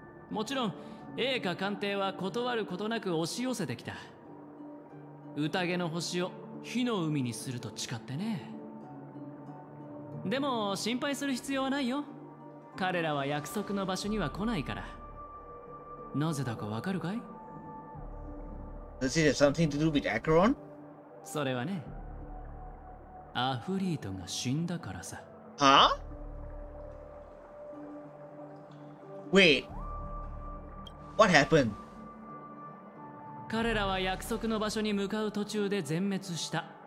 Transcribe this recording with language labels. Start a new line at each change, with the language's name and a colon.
Japanese: もちろん栄華艦艇は断ることなく押し寄せてきた。宴の星を火の海にすると誓ってね。でも心配する必要はないよ。彼らは約束の場所には来ないから。なぜだかわかるかい？
English: Does it have something to do with Acheron?
Japanese: それはね、アフリートが死んだからさ。は？
English: Wait. What happened?
Japanese: 彼らは約束の場所に向かう途中で全滅した。